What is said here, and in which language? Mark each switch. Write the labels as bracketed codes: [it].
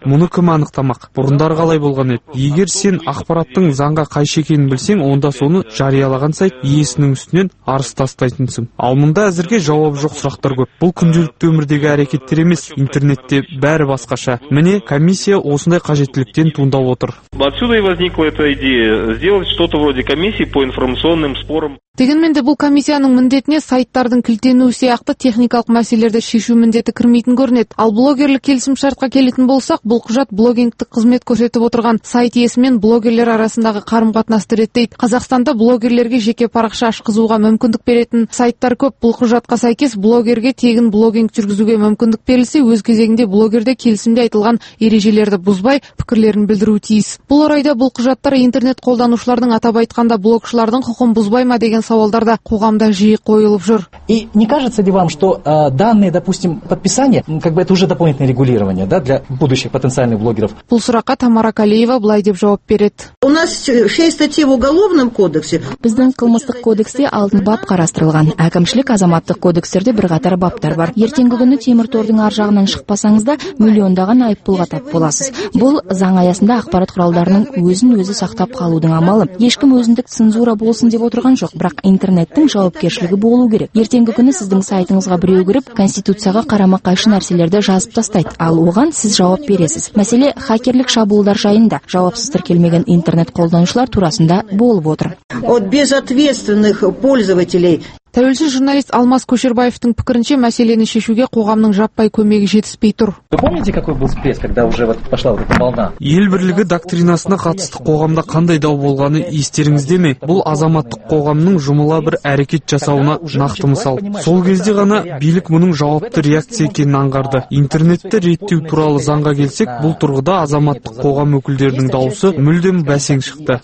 [kk] Мұны кім анықтамақ? Бұрындар қалай болған еді? Егер сен ақпараттың заңға қайшы екенін білсең, онда соны жариялаған сайт иесінің үстінен арыз тастайтынсың. Ал мұнда әзірге жауап жоқ сұрақтар көп. Бұл күнделікті өмірдегі әрекеттер емес, интернетте бәрі басқаша. Міне, комиссия осындай қажеттіліктен туындап отыр. [ru] Отсюда и возникла эта идея. Что-то вроде комиссии по информационным спорам. [kk] Дегенмен де бұл комиссияның міндетіне сайттардың кілтенуі сияқты техникалық мәселелерді шешу міндеті кірмейтін көрінеді. Ал блогерлік келісімшартқа келетін болсақ, бұл құжат блогингтік қызмет көрсетіп отырған сайт иесі мен блогерлер арасындағы қарым-қатынасты реттейді. Қазақстанда блогерлерге жеке парақша ашқызуға мүмкіндік беретін сайттар көп. Бұл құжатқа сәйкес блогерге тегін блогинг жүргізуге мүмкіндік берілсе, өз кезегінде блогерде келісімде айтылған ережелерді бұзбай пікірлерін білдіруі тиіс. Бұл орайда бұл құжаттар интернет қолданушылардың атап айтқанда блогшылардың құқығын бұзбай ма деген сауалдарда қоғамда жиі қойылып жүр. [ru] И не кажется ли вам, что данные, допустим, подписание, как бы это уже дополнительное регулирование, да, для будущих потенциальных блогеров? [kk] Бұл сұраққа Тамара Калеева былай деп жауап береді. [ru] У нас 6 статья в уголовном кодексе. [kk] Біздің қылмыстық кодексте 6 бап қарастырылған. Әкімшілік азаматтық кодекстерде бірқатар баптар бар. Ертеңгі күні темір тордың ар жағынан шықпасаңыз да, миллиондаған айыппұлға тап боласыз. Бұл заң аясында ақпарат құралдарының өзін-өзі сақтап қалудың амалы. Ешкім өзіндік цензура болсын деп отырған жоқ. Бірақ интернеттің жауапкершілігі болу керек. Ертеңгі күні сіздің сайтыңызға біреу кіріп, конституцияға қарама-қайшы нәрселерді жазып тастайды. Ал оған сіз жауап бересіз. Мәселе хакерлік шабуылдар жайында. Жауапсыз тіркелмеген интернет қолданушылар турасында болып отыр. [ru] От безответственных пользователей. [kk] Тәуелсіз журналист Алмас Көшербаевтың пікірінше, мәселені шешуге қоғамның жаппай көмегі жетіспей тұр. [ru] Помните, какой был спец, когда уже вот пошла вот эта волна? [kk] Ел бірлігі доктринасына қатысты қоғамда қандай дау болғаны естеріңізде ме? Бұл азаматтық қоғамның жұмыла бір әрекет жасауына нақты мысал. Сол кезде ғана билік мұның жауапты реакция екенін аңғарды. Интернетті реттеу туралы заңға келсек, бұл тұрғыда азаматтық қоғам өкілдерінің даусы мүлдем бәсең шықты.